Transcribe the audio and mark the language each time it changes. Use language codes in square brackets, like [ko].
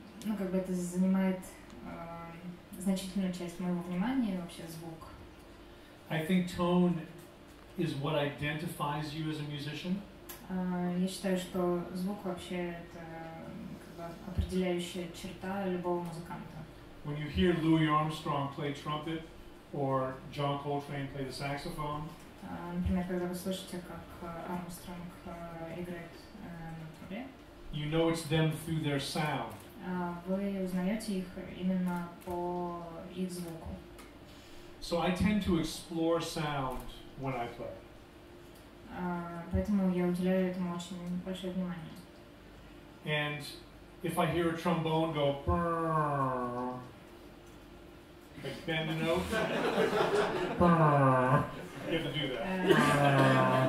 [ru] Это занимает значительную часть моего внимания, вообще звук. [en] I think tone is what identifies you as a musician. [ru] Я считаю, что звук вообще это определяющая черта любого музыканта. [en] When you hear Louis Armstrong play trumpet or John Coltrane play the saxophone. [ru] Например, когда вы слышите, как Армстронг играет на трубе. [en] You know it's them through their sound. [ru] Вы узнаете их именно по их звуку. [en] So I tend to explore sound when I play. [ru] Поэтому я уделяю этому очень большое внимание. [en] And if I hear a trombone go brrrr, like bend a note, brrrr, you have to do that.